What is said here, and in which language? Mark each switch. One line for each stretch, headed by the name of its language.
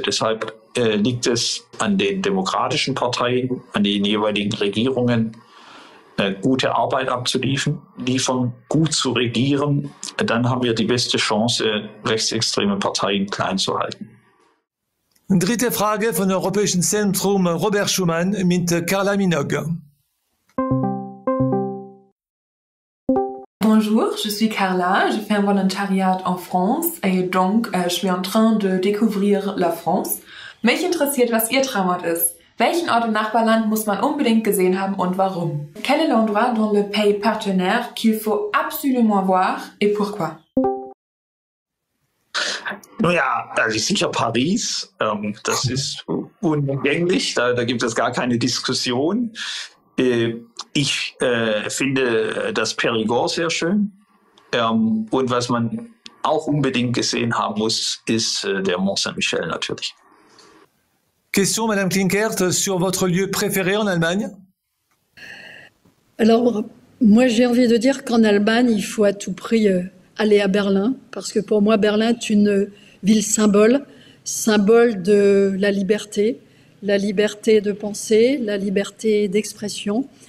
German: Deshalb liegt es an den demokratischen Parteien, an den jeweiligen Regierungen, gute Arbeit abzuliefern, gut zu regieren. Dann haben wir die beste Chance, rechtsextreme Parteien klein zu halten. Dritte Frage von Europäischen Zentrum Robert Schumann mit Carla Minogue.
French: Bonjour, je suis Carla, je fais un volontariat en France et donc je suis en train de découvrir la France.
German: Mich interessiert, was Ihr Traumort ist. Welchen Ort im Nachbarland muss man unbedingt gesehen haben und warum?
French: Quel est l'endroit dans le pays partenaire qu'il faut absolument voir et pourquoi?
German: Naja, also sicher Paris, das ist unumgänglich, da gibt es gar keine Diskussion. Ich finde das Périgord sehr schön. Und was man auch unbedingt gesehen haben muss, ist der Mont Saint-Michel natürlich.
French: Question, Madame Klinkert, sur votre lieu préféré en Allemagne? Alors, moi j'ai envie de dire qu'en Allemagne, il faut à tout prix aller à Berlin, parce que pour moi, Berlin est une ville symbole, symbole de la liberté de penser, la liberté d'expression.